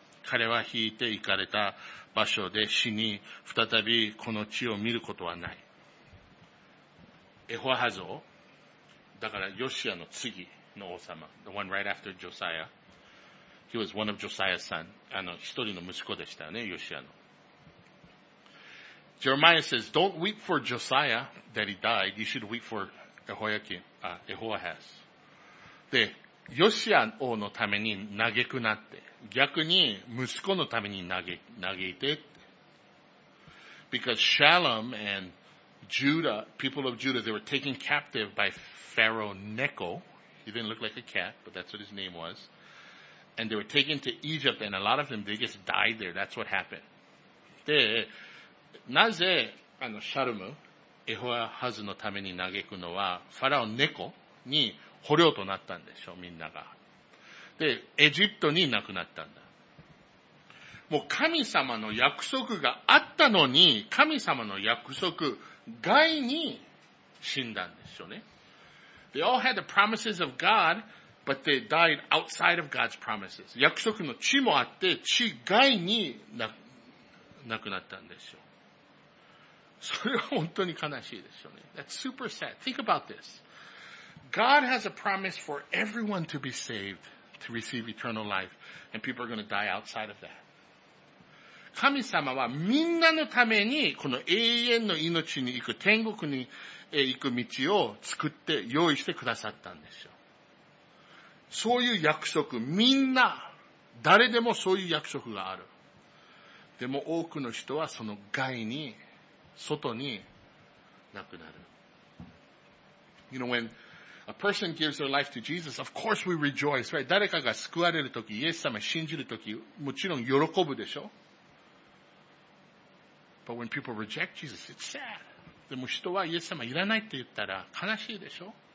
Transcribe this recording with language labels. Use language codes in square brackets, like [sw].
[ja] 彼は引いて行かれた場所で死に、再びこの地を見ることはない。エホアハゾ、だからヨシアの次の王様、 [en] the one right after Josiah. He was one of Josiah's son. [ja] 一人の息子でしたよね、ヨシアの。 [en] Jeremiah says, don't weep for Josiah that he died. You should weep for Jehoiakim, Jehoahaz. [ja] で、ヨシア王のために嘆くなって、逆に息子のために嘆いて。 [en] Because Shalom and Judah, people of Judah, they were taken captive by Pharaoh Necho. He didn't look like a cat, but that's what his name was. And they were taken to Egypt, and a lot of them, they just died there. That's what happened. [ja] で、なぜ、シャルム、エホアハズのために嘆くのは、ファラオネコに捕虜となったんでしょ、みんなが。で、エジプトに亡くなったんだ。もう神様の約束があったのに、神様の約束外に死んだんでしょね。 [en] They all had the promises of God, but they died outside of God's promises. [ja] 約束の地もあって、地外に亡くなったんでしょ。それは本当に悲しいですよね。 [en] That's super sad. Think about this. God has a promise for everyone to be saved, to receive eternal life, and people are going to die outside of that. [ja] 神様はみんなのためにこの永遠の命に行く、天国に行く道を作って用意してくださったんですよ。そういう約束、みんな、誰でもそういう約束がある。でも多くの人はその害に外に亡くなる。 [en] You know, when a person gives their life to Jesus, of course we rejoice, right? [ja] 誰かが救われるとき、イエス様を信じるとき、もちろん喜ぶでしょ [en] ?But when people reject Jesus, it's sad. [ja] でも人はイエス様いらないって言ったら悲しいでしょ?